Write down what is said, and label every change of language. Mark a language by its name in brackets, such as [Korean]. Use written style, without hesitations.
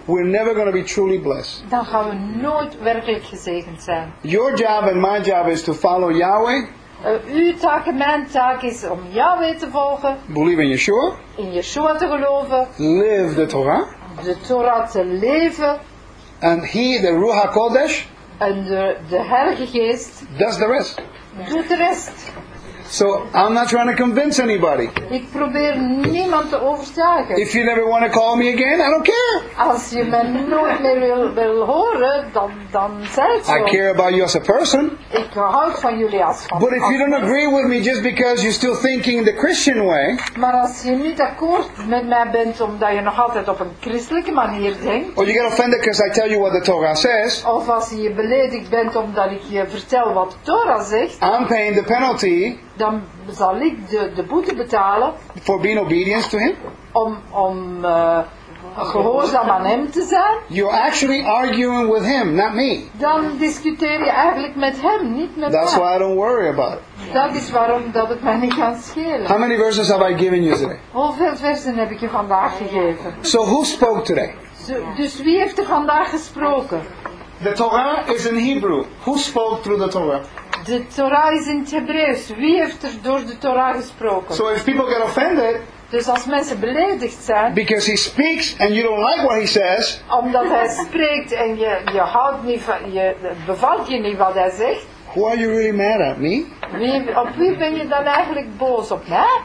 [English] We're never going to be truly blessed. [Dutch] Dan gaan we nooit werkelijk gezegend zijn. [English] Your job and my job is to follow Yahweh. [Dutch] Uw taak en mijn taak is om Yahweh te volgen. [English] Believe in Yeshua. [Dutch] In Yeshua te geloven. [English] Live the Torah. [Dutch] De Torah te leven. [English] And he, the Ruach HaKodesh. [Dutch] En de Heilige Geest. [English] Does the rest. [Dutch] Doet de rest. [English] So I'm not trying to convince anybody. [Dutch] Ik probeer niemand te overtuigen. [English] If you never want to call me again, I don't care. [Dutch] Als je me nooit meer wil horen, dan zeg het zo. [English] I care about you as a person. [Dutch] Ik houd van jullie als van. [English] But if you don't agree with me just because you're still thinking the Christian way. [Dutch] Maar als je niet akkoord met mij bent omdat je nog altijd op een christelijke manier denkt. [English] Or you get offended because I tell you what the Torah says. [Dutch] Of als je beledigd bent omdat ik je vertel wat de Torah zegt. [English] I'm paying the penalty. [Dutch] Dan zal ik de boete betalen. [English] For being obedient to him. [Dutch] Om gehoorzaam aan hem te zijn. [English] You're actually arguing with him, not me. [Dutch] Dan discuteer je eigenlijk met hem, niet met [English] That's [Dutch] mij. [English] That's why I don't worry about it. [Dutch] Dat is waarom dat het mij niet kan schelen. [English] How many verses have I given you today? [Dutch] Hoeveel versen heb ik je vandaag gegeven? [English] So who spoke today? [Dutch] Dus wie heeft er vandaag gesproken? [English] The Torah is in Hebrew. Who spoke through the Torah? [Dutch] De Torah is in het Hebreeuws. Wie heeft er door de Torah gesproken? [English] So if people get offended, [Dutch] dus als mensen beledigd zijn, [English] because he speaks and you don't like what he says, [Dutch] omdat hij spreekt en je houdt niet van, je bevalt je niet wat hij zegt. [English] Who are you really mad at, me? [Dutch] Op wie ben je dan eigenlijk boos, op mij?